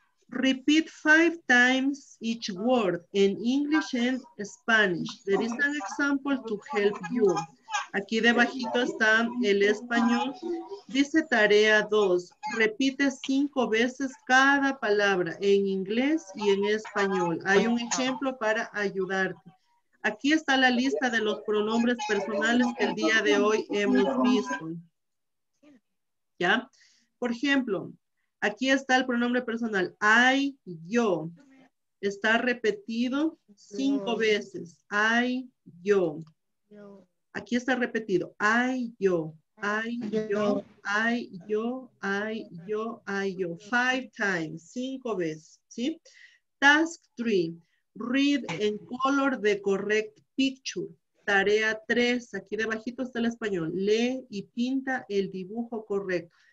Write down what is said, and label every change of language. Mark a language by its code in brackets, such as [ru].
[en] Repeat 5 times each word in English and Spanish. There is an example to help you. [es] Aquí debajito está el español. Dice tarea 2. Repite 5 veces cada palabra en inglés y en español. Hay un ejemplo para ayudarte. Aquí está la lista de los pronombres personales que el día de hoy hemos visto. ¿Ya? Por ejemplo, aquí está el pronombre personal. I, yo. Está repetido 5 veces. I, yo. Aquí está repetido. I, yo. I, yo. I, yo. I, yo. I, yo. [en] 5 times. [es] 5 veces. ¿Sí? [en] Task 3. Read in color the correct picture. [es] Tarea 3. Aquí debajito está el español. Lee y pinta el dibujo correcto.